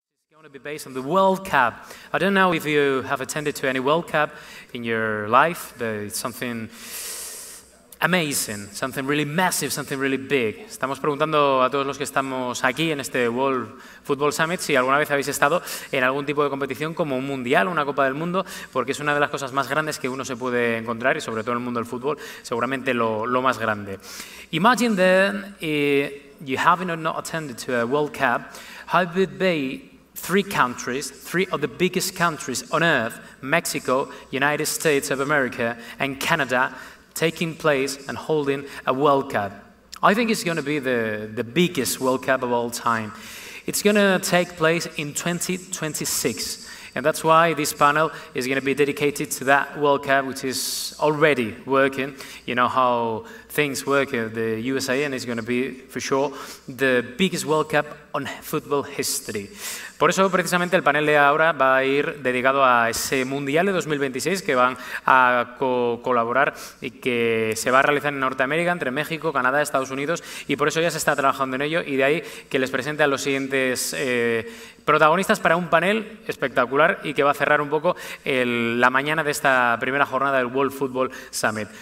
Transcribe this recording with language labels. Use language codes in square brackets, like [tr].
[en] going to be based on the World Cup. I don't know if you have attended to any World Cup in your life, but it's something amazing, something really massive, something really big. [es] Estamos preguntando a todos los que estamos aquí en este World Football Summit si alguna vez habéis estado en algún tipo de competición como un mundial, una Copa del Mundo, porque es una de las cosas más grandes que uno se puede encontrar y sobre todo en el mundo del fútbol, seguramente lo más grande. [en] Imagine then, you have not attended to a World Cup, how would it be three countries, three of the biggest countries on earth, Mexico, United States of America, and Canada, taking place and holding a World Cup. I think it's going to be the biggest World Cup of all time. It's going to take place in 2026. And that's why this panel is going to be dedicated to that World Cup, which is already working. You know how things work in the USA, and it's going to be, for sure, the biggest World Cup on football history. [es] Por eso, precisamente, el panel de ahora va a ir dedicado a ese Mundial de 2026 que van a colaborar y que se va a realizar en Norteamérica, entre México, Canadá, Estados Unidos, y por eso ya se está trabajando en ello, y de ahí que les presente a los siguientes protagonistas para un panel espectacular y que va a cerrar un poco la mañana de esta primera jornada del World Football Summit.